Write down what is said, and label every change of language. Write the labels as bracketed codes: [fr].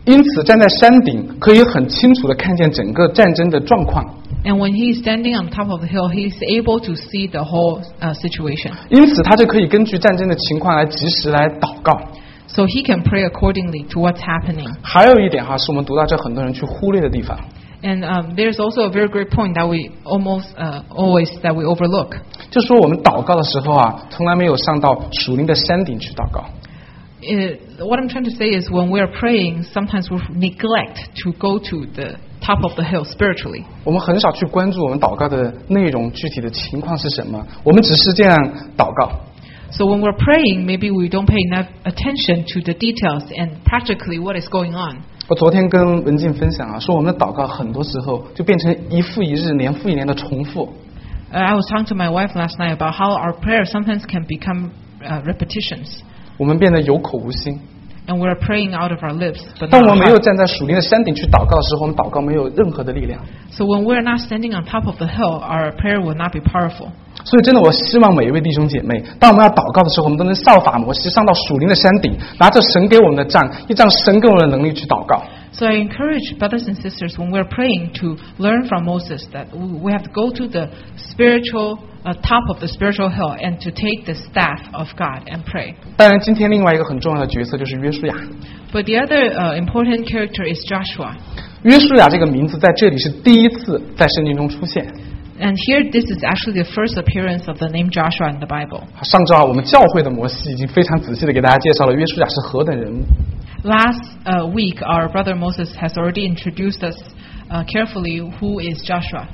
[zh] 因此站在山顶可以很清楚的看见整个战争的状况。 [en] And when he's standing on top of the hill, he's able to see the whole situation. [zh] 因此他就可以根据战争的情况来及时来祷告。 [en] So he can pray accordingly to what's happening. [zh] 还有一点哈，是我们读到这很多人去忽略的地方。 [en] And there's also a very great point that we almost always that we overlook. [zh] 就说我们祷告的时候啊，从来没有上到属灵的山顶去祷告。 [en] What I'm trying to say is when we are praying, sometimes we neglect to go to the top of the hill spiritually. [zh] 我们很少去关注我们祷告的内容具体的情况是什么，我们只是这样祷告。 [en] So when we're praying, maybe we don't pay enough attention to the details and practically what is going on. [zh] 我昨天跟文静分享啊，说我们的祷告很多时候就变成一复一日，年复一年的重复。 [en] I was talking to my wife last night about how our prayers sometimes can become repetitions. [zh] 我们变得有口无心。 [en] And we're praying out of our lips. [zh] 当我们没有站在属灵的山顶去祷告的时候，我们祷告没有任何的力量。 [en] So when we're not standing on top of the hill, our prayer will not be powerful. [zh] 所以真的，我希望每一位弟兄姐妹，当我们要祷告的时候，我们都能效法摩西，上到属灵的山顶，拿着神给我们的杖，一仗神给我们的能力去祷告。 [en] So I encourage brothers and sisters when we're praying to learn from Moses that we have to go to the spiritual top of the spiritual hill and to take the staff of God and pray. [zh] 当然，今天另外一个很重要的角色就是约书亚。 [en] But the other important character is Joshua. [zh] 约书亚这个名字在这里是第一次在圣经中出现。 [en] And here, this is actually the first appearance of the name Joshua in the Bible. [zh] 上周啊，我们教会的摩西已经非常仔细的给大家介绍了约书亚是何等人物。 [en] Last week, our brother Moses has already introduced us carefully who is Joshua.